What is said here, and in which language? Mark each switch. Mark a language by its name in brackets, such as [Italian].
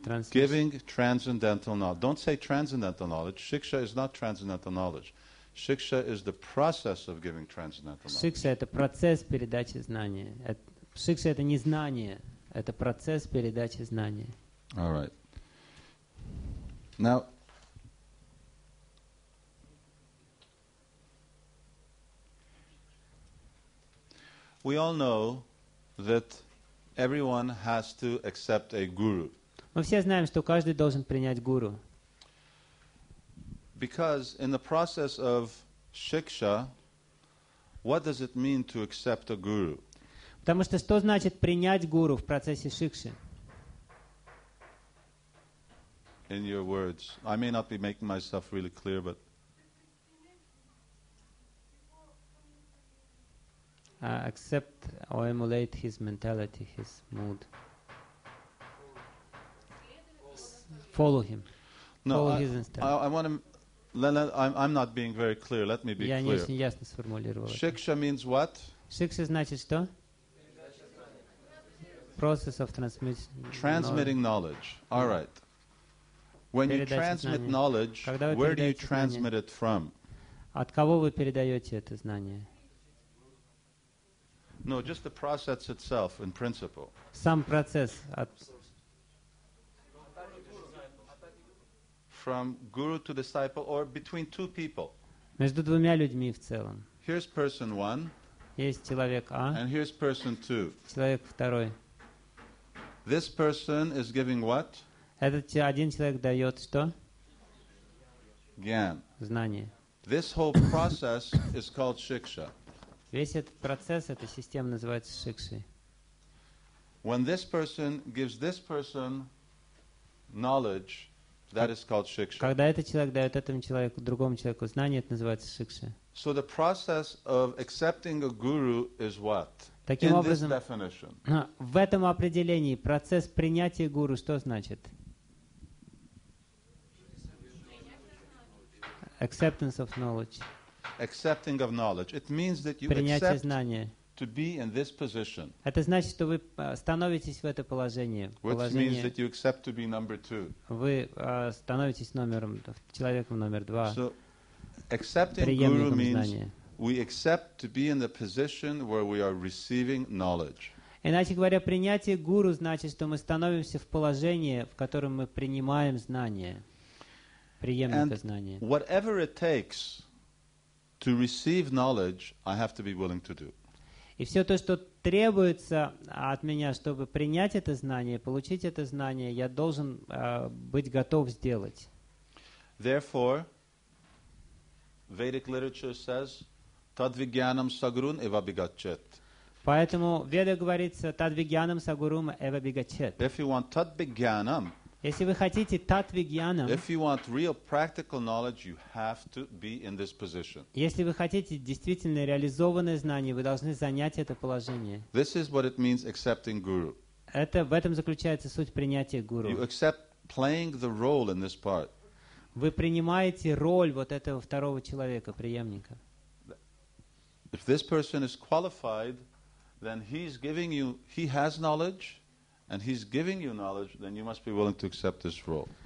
[English] Giving transcendental knowledge. Don't say transcendental knowledge. Шикша is not transcendental knowledge. Шикша is the process of giving transcendental knowledge. [Russian] Шикша — это процесс передачи знания. Шикша — это не знание, это процесс передачи знания. [English] All right. Now, we all know that everyone has to accept a guru. [Russian] Мы все знаем, что каждый должен принять гуру. [English] Because in the process of shiksha, what does it mean to accept a guru? [Russian] Потому что что значит принять гуру в процессе шикши? [English] In your words, I may not be making myself really clear, but accept or emulate his mentality, his mood. Follow him. No, follow I'm not being very clear. Let me be [Russian] я Я не очень ясно сформулировал. [English] Шикша means what? [Russian] Шикша значит что? [English] Process of transmission. Transmitting knowledge. All right. When you transmit knowledge, where do you transmit it from? [Russian] От кого вы передаете это знание? [English] No, just the process itself, in principle. [Russian] Сам процесс. [English] From guru to disciple, or between two people. [Russian] Между двумя людьми в целом. [English] Here's person one. [Russian] Есть человек А. [English] And here's person two. [Russian] Человек второй. [English] This person is giving what? [Russian] Этот один человек дает что? [English] Gyan. [Russian] Знание. [English] This whole process is called shiksha. [Russian] Весь этот процесс, эта система называется шикшей. [English] When this person gives this person knowledge, that is called shiksha. [Russian] Когда этот человек дает этому человеку, другому человеку знание, это называется шикша. [English] So the process of accepting a guru is what? [Russian] Таким образом, [English] in this definition. [Russian] В этом определении процесс принятия гуру что значит? [English] Acceptance of knowledge. Accepting of knowledge. It means that you [Russian] принятие [English] accept [Russian] знания. [English] To be in this position. [Russian] Это значит, что вы становитесь в это положение. [English] Which means that you accept to be number two. [Russian] Вы становитесь номером, человеком номер два. [English] So, accepting guru means we accept to be in the position where we are receiving knowledge. [Russian] Иначе говоря, принятие гуру значит, что мы становимся в положении, в котором мы принимаем знания. [English] And whatever it takes to receive knowledge, I have to be willing to do. [Russian] И все то, что требуется от меня, чтобы принять это знание, получить это знание, я должен быть готов сделать. [English] Therefore, Vedic literature says, [Sanskrit] "Tadvigyanam sagrun eva bigachet." [Russian] Поэтому в Веде говорится, [Sanskrit] "Tadvigyanam sagrun eva bigachet." [English] If you want tadvigyanam. [Russian] Если вы хотите татвигьянам, [English] if you want real practical knowledge, you have to be in this position. [Russian] Если вы хотите действительно реализованное знание, вы должны занять это положение. [English] This is what it means accepting guru. [Russian] Это в этом заключается суть принятия гуру. [English] You accept playing the role in this part. [Russian] Вы принимаете роль вот этого второго человека, преемника. [English] If this person is qualified, then he's giving you, he has knowledge. And he's giving you knowledge, then you must be willing to accept this role.